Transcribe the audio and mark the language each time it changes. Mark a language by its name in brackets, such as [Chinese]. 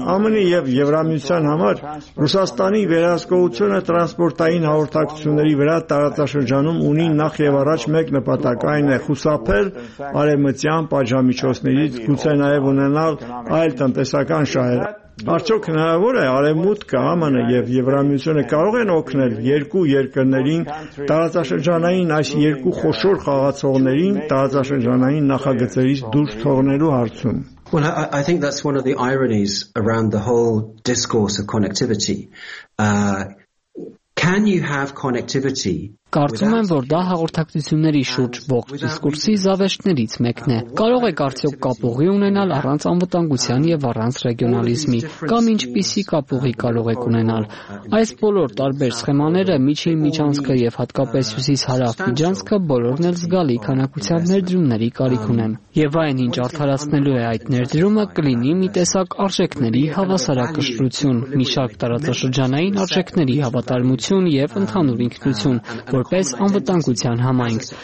[Armenian] ԱՄՆ-ի եւ Եվրամիության համար Ռուսաստանի վերահսկողությունը տրանսպորտային հաղորդակցությունների վրա տարածաշրջանում ունի նախ եւ առաջ մեկ նպատակ, այն է խուսափել արևմտյան պատժամիջոցներից, գուցե նաեւ ունենալ այլ տնտեսական շահեր։ Արդյոք հնարավոր է Արևմուտքը, ԱՄՆ-ը եւ Եվրամիությունը կարող են օգնել երկու երկրներին տարածաշրջանային այս երկու խոշոր խաղացողներին տարածաշրջանային նախագծերից դուրս թողնելու հարցում։ [English] Well, I think that's one of the ironies around the whole discourse of connectivity. Can you have connectivity? [Armenian] Կարծում եմ, որ դա հաղորդակցությունների շուրջ ողջ դիսկուրսի զավեշներից մեկն է։ Կարող է կարծիք կապուղի ունենալ առանց անվտանգության եւ առանց ռեգիոնալիզմի, կամ ինչպիսի կապուղի կարող է ունենալ։ Այս բոլոր տարբեր սխեմաները միջին միջանցքը եւ հատկապես հյուսիս հարավ միջանցքը բոլորն էլ զգալի քանակությամբ ներդրումների կարիք ունեն։ Եվ այնինչ արդարացնելու է այդ ներդրումը, կլինի մի տեսակ արժեքների հավասարակշռություն, մի շարք տարածաշրջանային արժեքների հավատարմություն եւ ընդհանուր ինքնություն որպես անվտանգության համայնք,